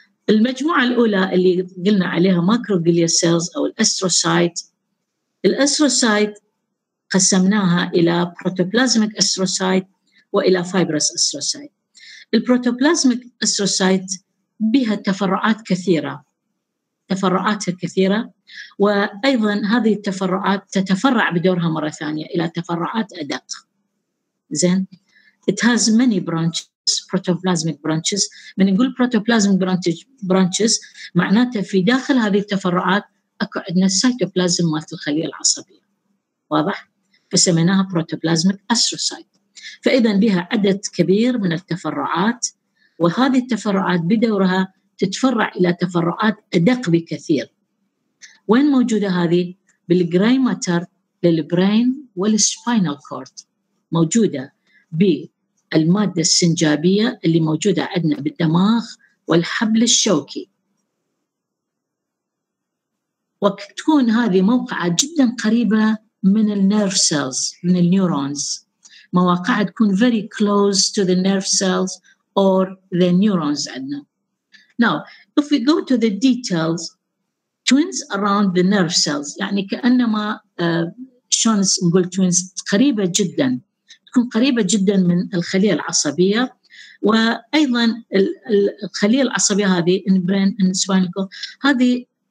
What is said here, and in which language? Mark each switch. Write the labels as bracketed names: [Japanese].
[Arabic] المجموعة الأولى اللي قلنا عليها ماكروغليا سيلز أو الأستروسايت، الأستروسايت قسمناها إلى بروتوبلازميك أستروسايت وإلى فايبروس أستروسايت. البروتوبلازميك أستروسايت بها تفرعات كثيرة، تفرعاتها كثيرة، وأيضا هذه التفرعات تتفرع بدورها مرة ثانية إلى تفرعات أدق. زين، [English] it has many branches, protoplasmic branches. [Arabic] من نقول [English] protoplasmic branches [Arabic] معناته في داخل هذه التفرعات أكو عندنا السيتوبلازم مالت الخلية العصبية. واضح؟ فسميناها protoplasmic astrocyte. فإذا بها عدد كبير من التفرعات، وهذه التفرعات بدورها تتفرع إلى تفرعات أدق بكثير. وين موجودة هذه؟ بالجراي ماتر للبرين والسباينال كورد، موجودة بالمادة السنجابية اللي موجودة عندنا بالدماغ والحبل الشوكي، وتكون هذه موقعة جدا قريبة من النيرف سيلز، من النيورونز. مواقع تكون [English] very close to the nerve cells or the neurons [Arabic] عندنا. [English] Now, if we go to the details, twins around the nerve cells. [Arabic] يعني كأنما شلون نقول [English] twins، [Arabic] قريبة جدا، تكون قريبة جدا من الخلية العصبية، وأيضا الخلية العصبية هذه [English] in brain and spinal cord [Arabic] هذه